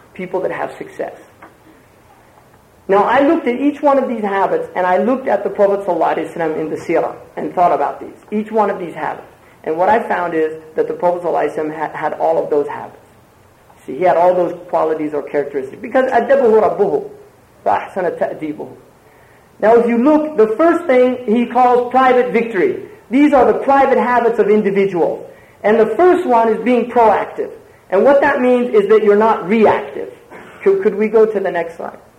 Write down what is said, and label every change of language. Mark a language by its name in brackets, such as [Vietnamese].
[English] people that have success. Now, I looked at each one of these habits, and I looked at the Prophet Sallallahu Alaihi Wasallam in the seerah, and thought about these, each one of these habits. And what I found is that the Prophet Sallallahu Alaihi Wasallam had all of those habits. See, he had all those qualities or characteristics. [Arabic] Because, أَدَّبُهُ رَبُّهُ فَأَحْسَنَ تَأْدِيبُهُ. [English] Now, if you look, the first thing he calls private victory. These are the private habits of individuals. And the first one is being proactive. And what that means is that you're not reactive. Could we go to the next slide?